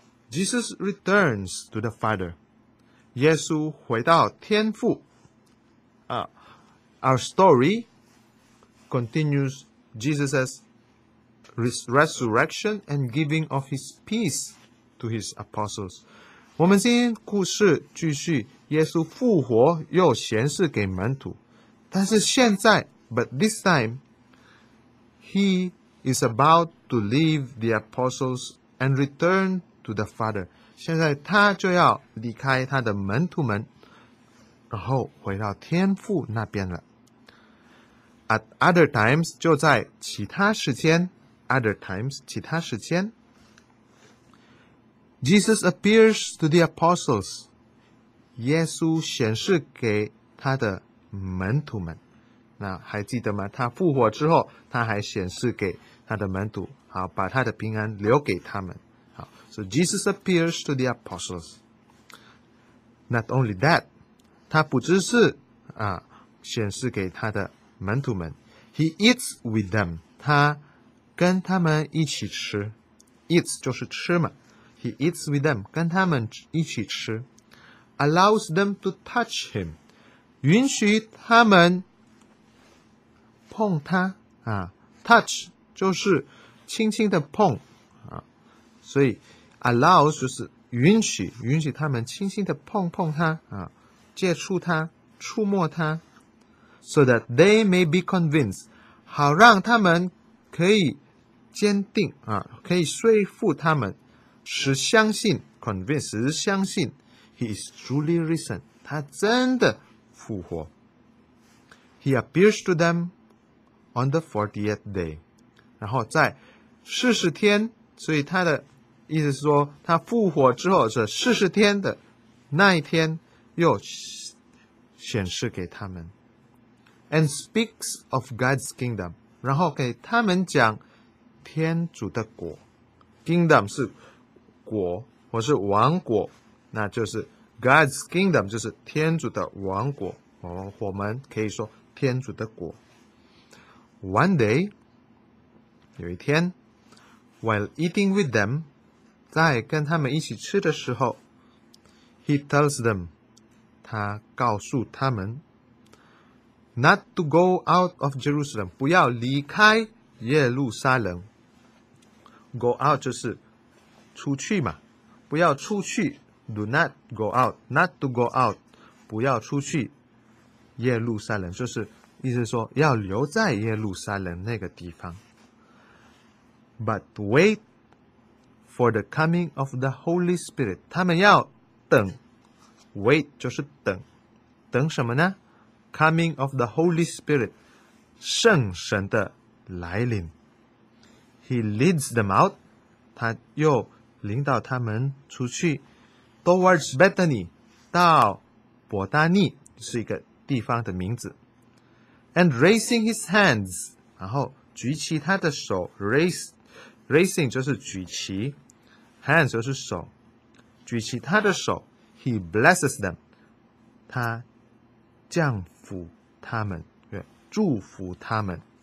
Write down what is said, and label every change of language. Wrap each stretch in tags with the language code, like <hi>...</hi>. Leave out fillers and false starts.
<en>Jesus returns to the Father.</en> <zh>耶稣回到天父。</zh> <en>Our story continues Jesus'sresurrection and giving of his peace to his apostles.</en> <zh>我们今天故事继续，耶稣复活又显示给门徒。但是现在</zh> <en>,but this time, he is about to leave the apostles and return to the Father.</en> <zh>现在他就要离开他的门徒们，然后回到天父那边了。</zh> <en>At other times,</en> <zh>就在其他时间</zh> <en>Other times,</en> <zh>其他时间</zh> <en>Jesus appears to the apostles.</en> <zh>耶稣显示给他的门徒们。那还记得吗？他复活之后，他还显示给他的门徒，好，把他的平安留给他们。好，</zh> <en>So Jesus appears to the apostles. Not only that,</en> <zh>他不只是啊显示给他的门徒们。</zh> <en>He eats with them.</en> <zh>他跟他们一起吃，eats 就是吃嘛。</zh> <en>He eats with them，</en> <zh>跟他们一起吃。</zh> <en>Allows them to touch him，</en> <zh>允许他们碰他啊。 Touch 就是轻轻的碰啊，所以 allows 就是允许，允许他们轻轻的碰碰他啊，接触他，触摸他</zh> <en>，so that they may be convinced，</en> <zh>好让他们可以。坚定啊，可以说服他们，使相信</zh> <en>，convince，</en> <zh>使相信 ，</zh> <en>he is truly risen，</en> <zh>他真的复活。</zh> <en>He appears to them on the 40th day，</en> <zh>然后在四十天，所以他的意思是说，他复活之后这四十天的那一天又显示给他们</zh> <en>，and speaks of God's kingdom，</en> <zh>然后给他们讲。天主的国 ，kingdom 是国或是王国，那就是 God's kingdom 就是天主的王国。我们可以说天主的国。</zh> <en>One day，</en> <zh>有一天</zh> <en>，while eating with them，</en> <zh>在跟他们一起吃的时候</zh> <en>，he tells them，</en> <zh>他告诉他们</zh> <en>not to go out of Jerusalem,</en> <zh>不要离开耶路撒冷。 Go out 就是出去嘛，不要出去。</zh> <en>Do not go out, not to go out,</en> <zh>不要出去耶路撒冷，就是意思说要留在耶路撒冷那个地方。</zh> <en>But wait for the coming of the Holy Spirit,</en> <zh>他们要等。 Wait 就是等，等什么呢？</zh> <en>Coming of the Holy Spirit,</en> <zh>圣神的来临。</zh> <en>He leads them out,</en> <zh>他又领导他们出去。</zh> <en>Towards Bethany,</en> <zh>到伯大尼，是一个地方的名字。</zh> <en>And raising his hands,</en> <zh>然后举起他的手， raising 就是举起， hands 就是手，举起他的手，</zh> <en>he blesses them,</en> <zh>他降福他们，祝福他们。</zh>